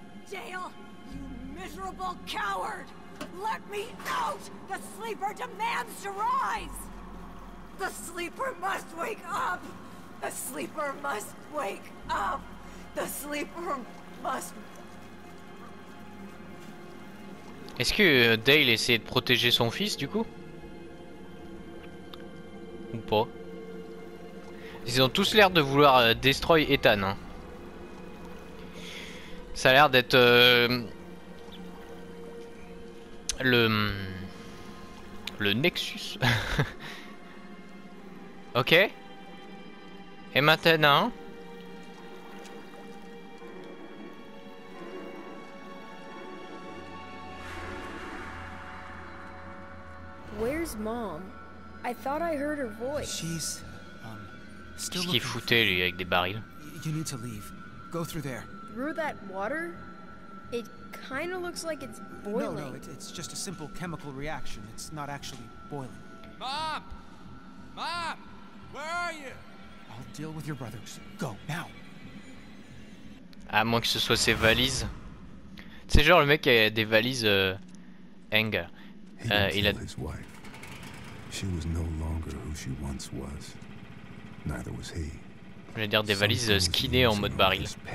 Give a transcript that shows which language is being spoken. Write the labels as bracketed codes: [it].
[en] Dale, you miserable coward! Let me out! The sleeper demands to rise! The sleeper must wake up! The sleeper must wake up! The sleeper must... [fr] Est-ce que Dale essaie de protéger son fils du coup? Ou pas? Ils ont tous l'air de vouloir destroy Ethan. Hein. Ça a l'air d'être le Nexus. Ok. Et maintenant. [en] Where's mom? I thought I heard her voice. She's still looking for... [fr] Qu'est-ce qu'il foutait lui avec des barils? [en] You need to leave. Go through there. Through that water? It kind of looks like it's boiling. No, it's just a simple chemical reaction. It's not actually boiling. Mom! Mom! Where are you? I'll deal with your brothers. Go, now! [fr] À moins que ce soit ses valises. C'est genre le mec qui a des valises Anger. Il a tué sa femme. [en] She was no longer who she once was. Neither was he. [fr] J'allais dire des valises skinées en mode baril.